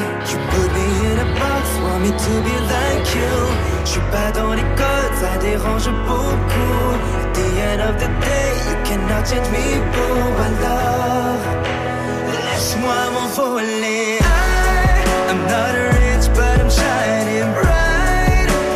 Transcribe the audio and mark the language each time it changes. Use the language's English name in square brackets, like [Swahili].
[English] You put me in a box, want me to be like you. [French] J'suis pas dans les codes, ça dérange beaucoup. [English] The end of the day, you cannot change me, boo. [French] Alors, laisse-moi m'envoler. [English] I'm not rich, but I'm shining bright.